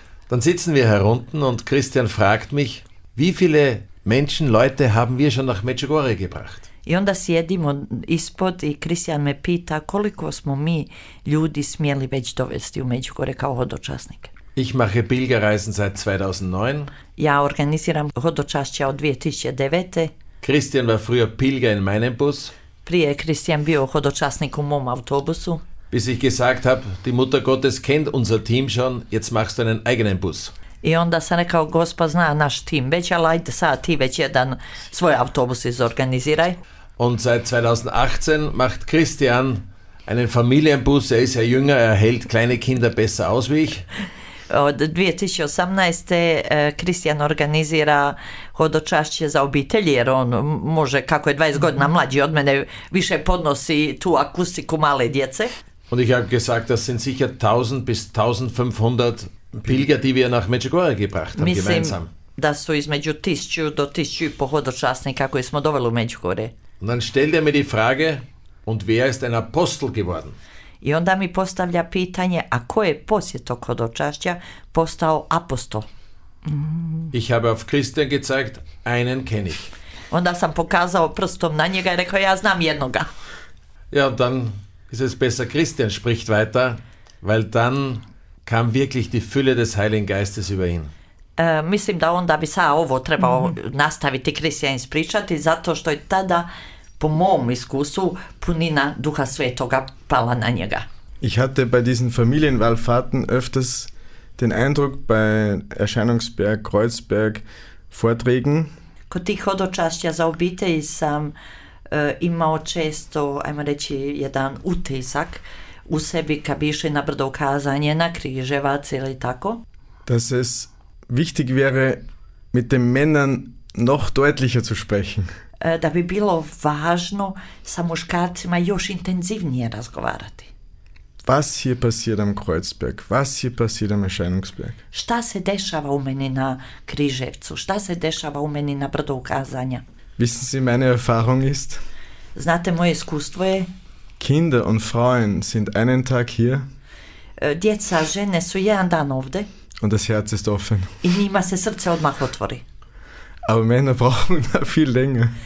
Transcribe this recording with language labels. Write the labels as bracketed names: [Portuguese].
[German] Dann sitzen wir hier unten und Christian fragt mich, wie viele Menschen, Leute haben wir schon nach Međugorje gebracht? [Croatian] I onda sjedimo ispod i Kristijan me pita koliko smo mi ljudi smjeli već dovesti u Međugorje kao hodočasnike. [German] Ich mache Pilgerreisen seit 2009. [Croatian] Ja organiziram hodočašća od 2009. [German] Christian war früher Pilger in meinem Bus. [Croatian] Prije Christian bio hodočasnik u mom autobusu. [German] Bis ich gesagt habe, die Mutter Gottes kennt unser Team schon, jetzt machst du einen eigenen Bus. [Croatian] I onda sam rekao, Gospa zna naš tim već, ali ajde sad ti već jedan svoj autobus izorganiziraj. [German] Und seit 2018 macht Christian einen Familienbus, er ist ja jünger, er hält kleine Kinder besser aus wie ich. [Croatian] Od 2018. Christian organizira hodočašće za obitelji, jer on može, kako je 20 godina mlađi od mene, više podnosi tu akustiku male djece. [German] Und ich habe gesagt, das sind sicher 1000 bis 1500 Pilger, die wir nach Međugorje gebracht haben, [Croatian] mislim, [German] gemeinsam. [Croatian] Da su između 1000 do 1500 hodočasnika koje smo doveli u Međugorje. [German] Und dann stellt er mir die Frage, und wer ist ein Apostel geworden? [Croatian] I onda mi postavlja pitanje, a ko je poslije tog hodočašća postao apostol? [German] Ich habe auf Christian gezeigt, einen kenne ich. [Croatian] Onda sam pokazao prstom na njega i rekao, ja znam jednoga. [German] Ja, und dann ist es besser, Christian spricht weiter, weil dann kam wirklich die Fülle des Heiligen Geistes über ihn. [Croatian] mislim da onda bi sada ovo trebao nastaviti Kristijan ispričati, zato što je tada, po mom iskustvu, punina Duha Svetoga pala na njega. [German] Ich hatte bei diesen Familienwallfahrten öfters den Eindruck bei Erscheinungsberg, Kreuzberg, Vorträgen. [Croatian] Kod tih hodočašća za obitelj sam imao često, ajmo reći, jedan utisak u sebi kad bi išli na brdo ukazanje, na križevac ili tako. [German] Dass es wichtig wäre, mit den Männern noch deutlicher zu sprechen. [Croatian] Da bi bilo važno sa muškarcima još intenzivnije razgovarati. [German] Was hier passiert am Kreuzberg? Was hier passiert am Erscheinungsberg? [Croatian] Šta se dešava u meni na Križevcu? Šta se dešava u meni na brdo ukazanja? [German] Wissen Sie, meine Erfahrung ist? [Croatian] Znate, moje iskustvo je? [German] Kinder und Frauen sind einen Tag hier. [Croatian] Djeca, žene su jedan dan ovde. [German] Und das Herz ist offen. [Croatian] I njima se srce odmah otvori. [German] Aber Männer brauchen da viel länger.